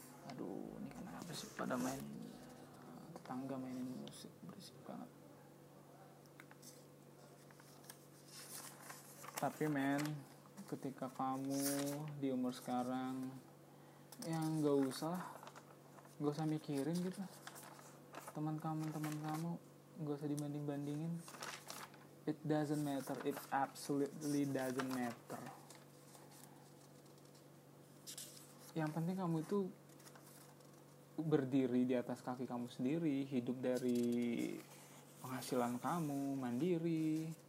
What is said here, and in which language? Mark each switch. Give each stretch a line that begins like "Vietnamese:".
Indonesian: Aduh, ini kenapa sih pada main tetangga mainin musik berisik banget. Tapi men, ketika kamu di umur sekarang, yang gak usah mikirin gitu. Teman kamu gak usah dibanding-bandingin.
English: It doesn't matter, it absolutely doesn't matter.
Indonesian: Yang penting kamu itu berdiri di atas kaki kamu sendiri, hidup dari penghasilan kamu, mandiri.